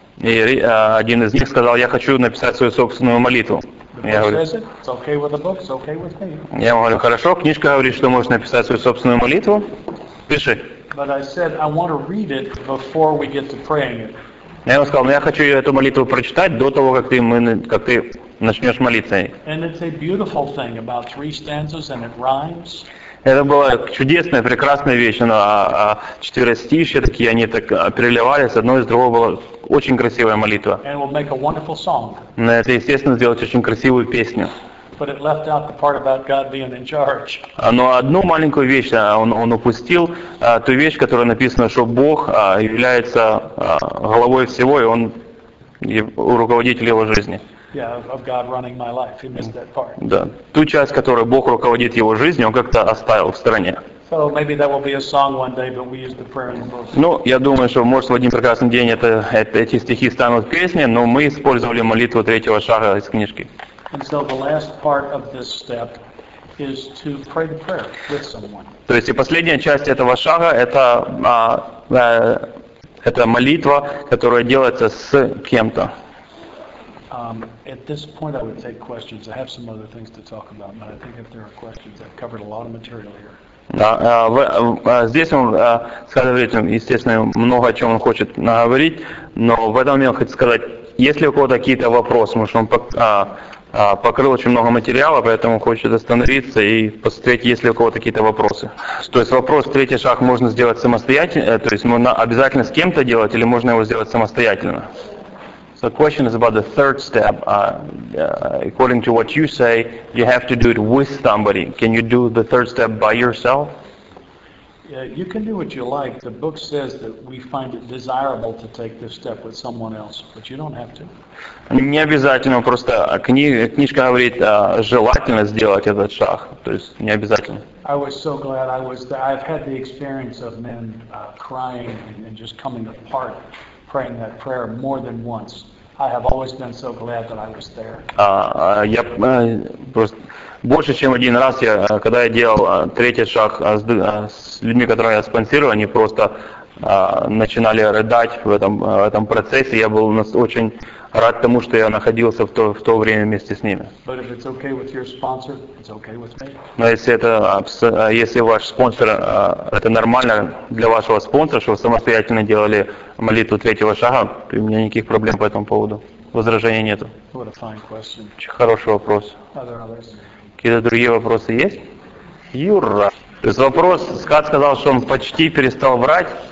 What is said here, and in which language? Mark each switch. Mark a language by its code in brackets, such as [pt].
[ru] И один из них сказал, я хочу написать свою собственную молитву. Я говорю, [en] it's okay with the book, it's okay with me. [ru] Я говорю, хорошо, книжка говорит, что можешь написать свою собственную молитву. Пиши. [en] But I said, I want to read it before we get to praying it. [ru] Я ему сказал, я хочу эту молитву прочитать до того, как ты начнешь молиться. [en] And it's a beautiful thing about three stanzas and it rhymes. [ru] Это была чудесная, прекрасная вещь. Она четыре стиха такие, они так переливались. Одно из другого была очень красивая молитва. [en] And we'll make a wonderful song. [ru] Но это, естественно, сделать очень красивую песню. [en] But it left out the part about God being in charge. [ru] Но одну маленькую вещь он упустил, ту вещь, которая написана, что Бог является главой всего, и он руководитель его жизни. [en] Yeah, of God running my life. He missed that part. [ru] Да, ту часть, которой Бог руководит его жизнью, он как-то оставил в стороне. [en] So maybe that will be a song one day, but we use the prayer in the book. [ru] Ну, я думаю, что может в один прекрасный день эти стихи станут песней, но мы использовали молитву третьего шага из книжки. [en] And so the last part of this step is to pray the prayer with someone. [ru] То есть и последняя часть этого шага это молитва, которая делается с кем-то. [en] At this point, I would take questions. I have some other things to talk about, but I think if there are questions, I've covered a lot of material here. [ru] Здесь он сказывает, естественно, много о чем он хочет наговорить, но в этом я хочу сказать, есть ли у кого-то какие-то вопросы, потому что он покрыл очень много материала, поэтому хочет остановиться и посмотреть, есть ли у кого-то какие-то вопросы. То есть вопрос, третий шаг можно сделать самостоятельно, то есть можно обязательно с кем-то делать или можно его сделать самостоятельно? [en] The question is about the third step. According to what you say, you have to do it with somebody. Can you do the third step by yourself? Yeah, you can do what you like. The book says that we find it desirable to take this step with someone else, but you don't have to. [ru] Не обязательно, просто книжка говорит, желательно сделать этот шаг. То есть не обязательно. [en] I was so glad I was there. I've had the experience of men crying and just coming apart. Praying that prayer more than once. I have always been so glad that I was there. [ru] Я просто больше чем один раз я, когда я делал третий шаг с людьми, которые я спонсировал, они просто начинали рыдать в этом процессе. Я был очень рад тому, что я находился в то время вместе с ними. [en] But if it's okay with your sponsor, it's okay with me. [ru] Но если ваш спонсор это нормально для вашего спонсора, что вы самостоятельно делали молитву третьего шага, у меня никаких проблем по этому поводу. возражений нету. [en] What a fine question. [ru] Хороший вопрос. Какие-то другие вопросы есть? Юра. То есть вопрос, Скат сказал, что он почти перестал врать.